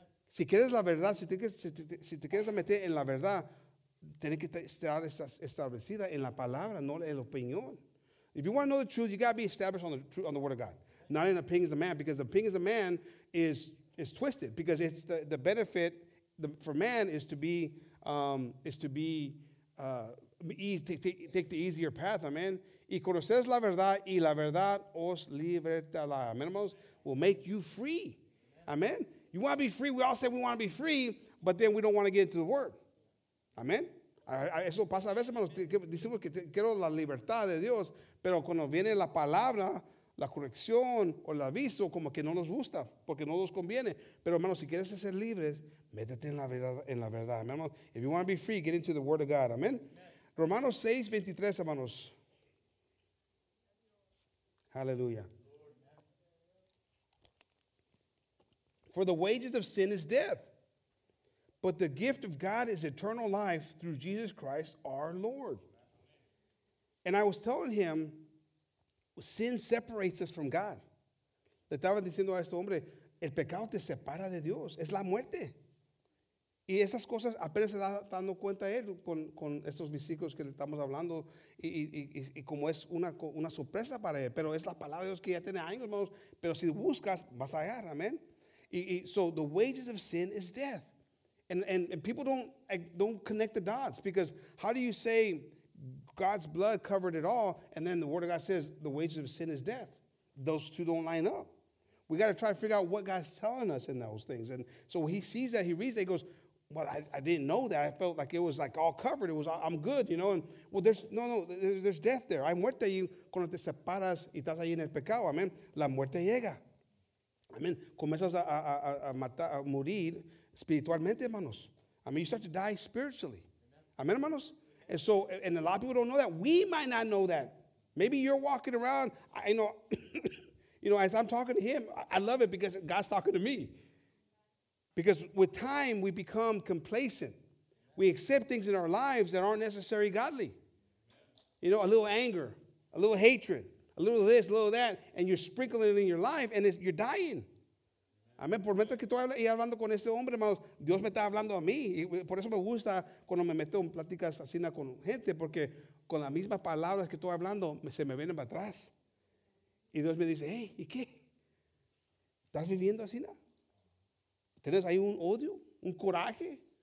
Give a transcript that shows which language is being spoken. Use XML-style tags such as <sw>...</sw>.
<es>Si quieres la verdad, si te quieres meter en la verdad, tiene que estar establecida en la palabra, no en la opinión.</es> <en>If you want to know the truth, you got to be established on the truth, on the word of God. Not in the opinions of man, because the opinions of man is twisted, because it's the benefit for man is to be take the easier path, amen.</en> <es>Y conoces la verdad y la verdad os libertará, amen, hermanos,</es> <en>will make you free.</en> <es>Amen.</es> <en>You want to be free. We all say we want to be free, but then we don't want to get into the word. Amen.</en> <es>Eso pasa a veces, hermanos. Decimos que quiero la libertad de Dios, pero cuando viene la palabra, la corrección o el aviso, como que no nos gusta, porque no nos conviene. Pero hermanos, si quieres ser libres, métete en la verdad, hermanos.</es> <en>If you want to be free, get into the Word of God. Amén.</en> <es>Romanos 6, 23, hermanos. Aleluya.</es> <en>For the wages of sin is death, but the gift of God is eternal life through Jesus Christ our Lord. And I was telling him, sin separates us from God.</en> <es>Le estaba diciendo a este hombre, el pecado te separa de Dios, es la muerte. Y esas cosas apenas se está dando cuenta él con estos versículos que le estamos hablando y como es una sorpresa para él, pero es la palabra de Dios que ya tiene años, hermanos, pero si buscas, vas a hallar, amén.</es> <en>So the wages of sin is death. And people don't connect the dots, because how do you say God's blood covered it all and then the Word of God says the wages of sin is death? Those two don't line up. We got to try to figure out what God's telling us in those things. And so he sees that, he reads that, he goes, well, I didn't know that. I felt like it was like all covered. It was, I'm good, you know. And well, there's death there.</en> <es>Hay muerte ahí cuando te separas y estás ahí en el pecado. Amen. La muerte llega. Amen. Comienzas a morir espiritualmente, hermanos.</es> <en>I mean, you start to die spiritually. Amen, hermanos. And so, and a lot of people don't know that. We might not know that. Maybe you're walking around. I know, as I'm talking to him, I love it because God's talking to me. Because with time, we become complacent. We accept things in our lives that aren't necessarily godly. You know, a little anger, a little hatred, a little this, a little that, and you're sprinkling it in your life, and you're dying.</en> <es>Amén. Por mientras que estoy hablando con este hombre, hermanos, Dios me está hablando a mí. Por eso me gusta cuando me meto en pláticas así con gente, porque con las mismas palabras que estoy hablando, se me vienen para atrás. Y Dios me dice, hey, ¿y qué? ¿Estás viviendo así, ¿Tienes ahí un odio, un coraje?</es>